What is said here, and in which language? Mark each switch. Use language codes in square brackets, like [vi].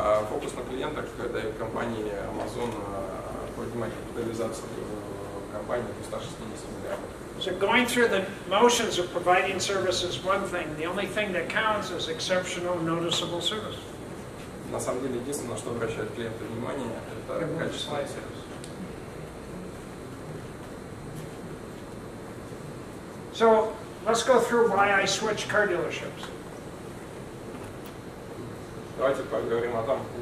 [ru] Фокус на клиентах, когда компания Amazon поднимает капитализацию компании до 160 миллиардов. [en] So going through the motions of providing service is one thing. The only thing that counts is exceptional, noticeable service. [ru] На самом деле, единственное, на что обращает клиент внимание, это качественный сервис. [en] So let's go through why I switch car dealerships. [ru] Давайте поговорим о том,